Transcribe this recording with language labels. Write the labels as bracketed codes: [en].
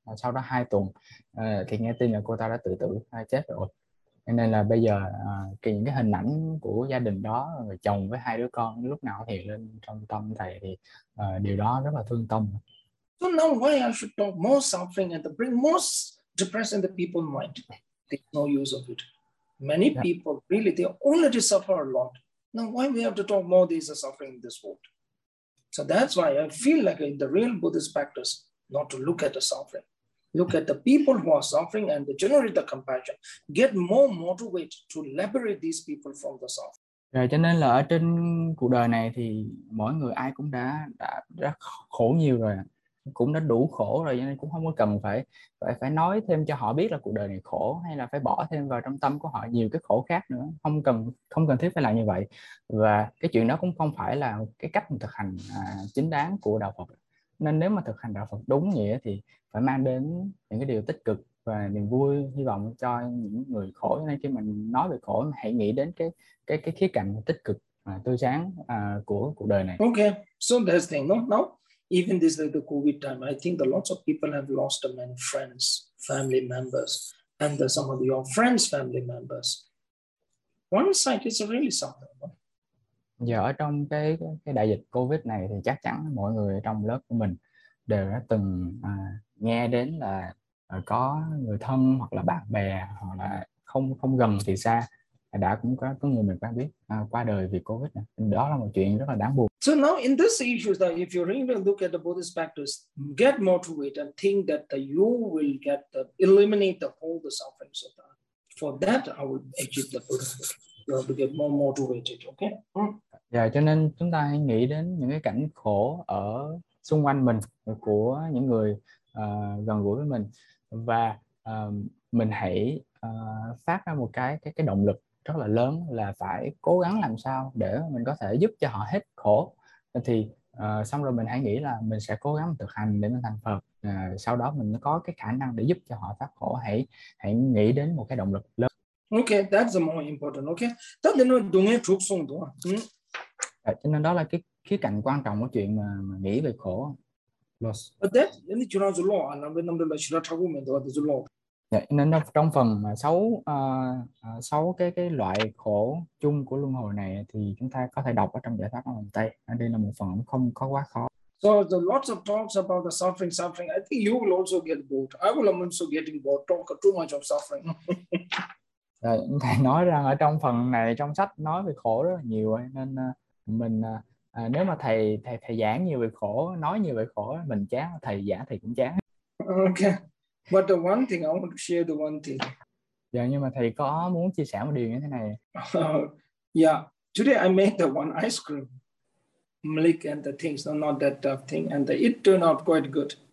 [vi] Sau đó 2 tuần thì nghe tin là cô ta đã tự tử, chết rồi. Nên là bây giờ những cái hình ảnh của gia đình đó, người chồng với 2 đứa con lúc nào hiện lên trong tâm thầy thì điều đó rất là thương tâm. [en] So now why I should talk more suffering and bring more depression in the people's mind? There's no use of it. Many people really they already suffer a lot. Now why we have to talk more this suffering in this world? So that's why I feel like in the real Buddhist practice, not to look at the suffering. Look at the people who are suffering and they generate the compassion. Get more motivated to liberate these people from the suffering. [vi] Rồi, cho nên là ở trên cuộc đời này thì mỗi người ai cũng đã khổ nhiều rồi, cũng đã đủ khổ rồi, cho nên cũng không có cần phải phải phải nói thêm cho họ biết là cuộc đời này khổ, hay là phải bỏ thêm vào trong tâm của họ nhiều cái khổ khác nữa, không cần thiết phải làm như vậy. Và cái chuyện đó cũng không phải là cái cách thực hành chính đáng của đạo Phật. Nên nếu mà thực hành đạo Phật đúng nghĩa thì phải mang đến những cái điều tích cực và niềm vui, hy vọng cho những người khổ. Nên khi mình nói về khổ, hãy nghĩ đến cái khía cạnh tích cực và tươi sáng của cuộc đời này. [en] Okay, so that's the thing. No, even this like the COVID time, I think the lots of people have lost many friends, family members, and some of your friends' family members. One side is really suffering. [vi] Giờ ở trong cái đại dịch COVID này thì chắc chắn mọi người trong lớp của mình đều đã từng nghe đến là có người thân hoặc là bạn bè hoặc là không gần thì xa đã cũng có người mình quen biết qua đời vì COVID này. Đó là một chuyện rất là đáng buồn. [en] So now in this issue that if you really look at the Buddhist practice, get motivated and think that you will get the, eliminate the whole the sufferings of that. For that, I will achieve the Buddhist. You have to get more motivated, okay? [vi] Yeah, cho nên chúng ta hãy nghĩ đến những cái cảnh khổ ở xung quanh mình của những người gần gũi với mình và mình hãy phát ra một cái động lực rất là lớn là phải cố gắng làm sao để mình có thể giúp cho họ hết khổ. Thì xong rồi mình hãy nghĩ là mình sẽ cố gắng thực hành để mình thành Phật. Sau đó mình có cái khả năng để giúp cho họ thoát khổ. Hãy nghĩ đến một cái động lực lớn. [en] Okay, that's the more important. Okay, that then we're doing it through song, [vi] đúng không? Cho nên đó là cái khía cạnh quan trọng của chuyện mà nghĩ về khổ. [en] But that, then you know the law, and I'm going to let you know how we do the law. [vi] Nên trong phần mà sáu cái loại khổ chung của luân hồi này thì chúng ta có thể đọc ở trong giải thoát ở Tây. Đây là một phần không có quá khó. [en] So the lots of talks about the suffering. I think you will also get bored. I will also getting bored. Talk too much of suffering. [vi] Thầy nói rằng ở trong phần này trong sách nói về khổ rất là nhiều nên mình nếu mà thầy giảng nhiều về khổ, nói nhiều về khổ mình chán, thầy giảng thì cũng chán. [en] Okay. But the one thing I want to share the one thing. [vi] Yeah, nhưng mà thầy có muốn chia sẻ một điều như thế này. [en] Yeah, today I made the one ice cream, milk and the things, not that tough thing, and it turned out quite good.